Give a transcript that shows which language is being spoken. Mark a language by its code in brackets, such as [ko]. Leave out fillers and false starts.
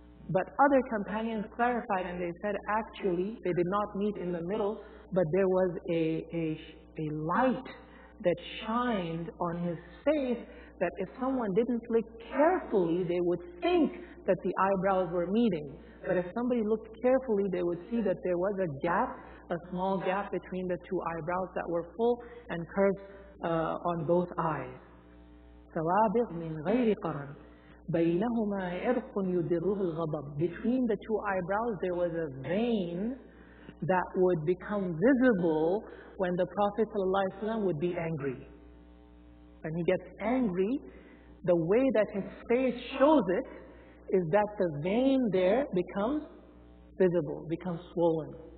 [en] But other companions clarified and they said actually they did not meet in the middle, but there was a light that shined on his face that if someone didn't look carefully, they would think that the eyebrows were meeting. But if somebody looked carefully, they would see that there was a gap, a small gap between the two eyebrows that were full and curved on both eyes. [ar] سوابق من غير قرن بينهما عرق يدره الغضب. [en] Between the two eyebrows, there was a vein that would become visible when the Prophet ﷺ would be angry. When he gets angry, the way that his face shows it is that the vein there becomes visible, becomes swollen.